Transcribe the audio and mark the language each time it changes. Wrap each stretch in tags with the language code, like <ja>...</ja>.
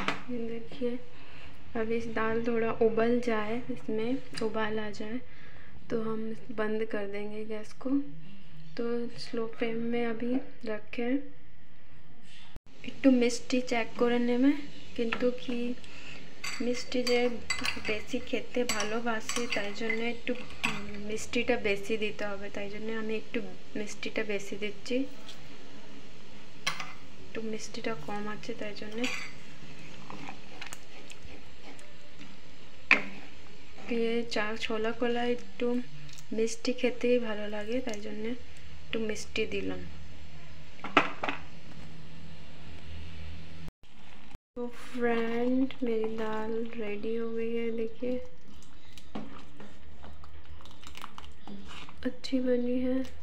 <hi>देखिए अब इस दाल थोड़ा उबल जाए, इसमें उबाल आ जाए तो हम बंद कर देंगे गैस को। तो स्लो फ्लेम में अभी रखें, एक तो मिस्टी चेक करने में, किंतु कि</hi> <bn>মিষ্টি যে বেশি খেতে ভালোবাসে তাই জন্য একটু মিষ্টিটা বেশি দিতে হবে, তাই জন্য আমি একটু মিষ্টিটা বেশি দিচ্ছি, একটু মিষ্টিটা কম আছে তাই জন্য। দিয়ে চা ছোলা কলা একটু মিষ্টি খেতেই ভালো লাগে তাই জন্য একটু মিষ্টি দিলাম।</bn> <hi>तो फ्रेंड मेरी दाल रेडी हो गई है, देखिए अच्छी बनी है।</hi>